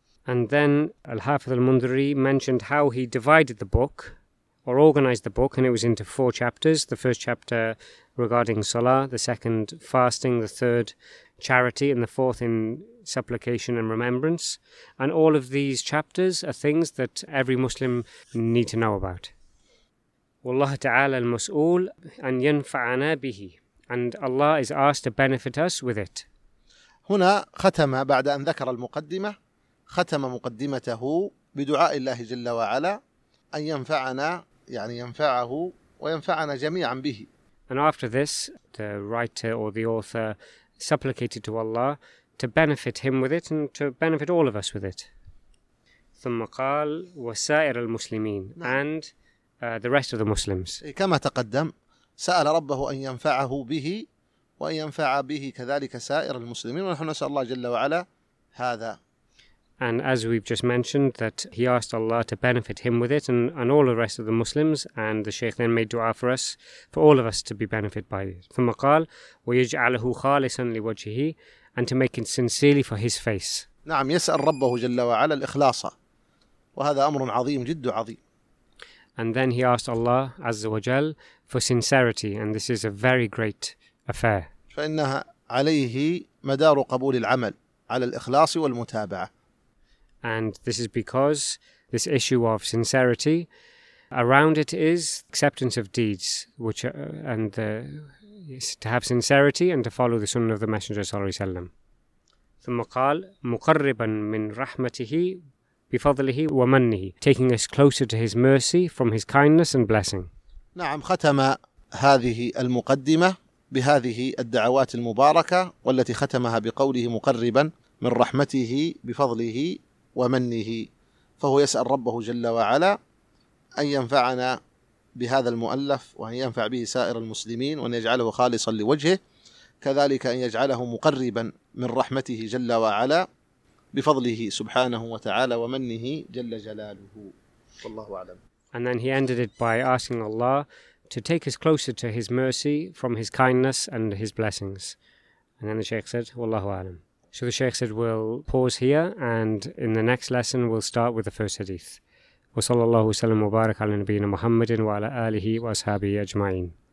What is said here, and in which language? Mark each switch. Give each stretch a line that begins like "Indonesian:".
English: And then Al-Hafiz Al-Mundri mentioned how he divided the book or organized the book, and it was into four chapters: the first chapter regarding salah, the second fasting, the third charity, and the fourth in supplication and remembrance. And all of these chapters are things that every Muslim need to know about.
Arabic: Wallahu ta'ala al-mas'ul an yanfa'ana bihi,
English: and Allah is asked to benefit us with it.
Arabic: هنا ختم بعد أن ذكر المقدمة ختم مقدمته بدعاء الله جل وعلا أن ينفعنا، يعني ينفعه وينفعنا جميعا به.
English: And after this, the writer or the author supplicated to Allah to benefit him with it and to benefit all of us with it.
Arabic: ثم قال وسائر المسلمين. نعم.
English: And the rest of the Muslims.
Arabic: كما تقدم سأل ربه أن ينفعه به وأن ينفع به كذلك سائر المسلمين، ونحن نسأل الله جل وعلا هذا.
English: And as we've just mentioned, that he asked Allah to benefit him with it and all the rest of the Muslims, and the Shaykh then made dua for us, for all of us to be benefited by it.
Arabic: ثم قال ويجعله خالصا لوجهه,
English: and to make it sincerely for his face.
Arabic: نعم، يسأل ربه جل وعلا الإخلاص وهذا أمر عظيم جد عظيم.
English: And then he asked Allah Azza wa Jal for sincerity, and this is a very great affair.
Arabic: فإنها عليه مدار قبول العمل على الإخلاص والمتابعة.
English: And this is because this issue of sincerity, around it is acceptance of deeds, which and the, to have sincerity and to follow the sunnah of the Messenger صلى الله عليه وسلم.
Arabic: ثم قال مقربا من رحمته بفضله ومنه,
English: taking us closer to his mercy from his kindness and blessing.
Arabic: نعم, ختم هذه المقدمة بهذه الدعوات المباركة والتي ختمها بقوله مقربا من رحمته بفضله ومنه, فهو يسأل ربه جل وعلا أن ينفعنا بهذا المؤلف وأن ينفع به سائر المسلمين وأن يجعله خالصا لوجهه, كذلك أن يجعله مقربا من رحمته جل وعلا بفضله سبحانه وتعالى ومنه جل جلاله, والله أعلم.
English: And then he ended it by asking Allah to take us closer to his mercy from his kindness and his blessings. And then the Shaykh said,
Arabic: والله أعلم.
English: So the Shaykh said, we'll pause here and in the next lesson we'll start with the first hadith.
Arabic: وصلى الله وسلم وبارك على نبينا محمد وعلى آله وأصحابه أجمعين.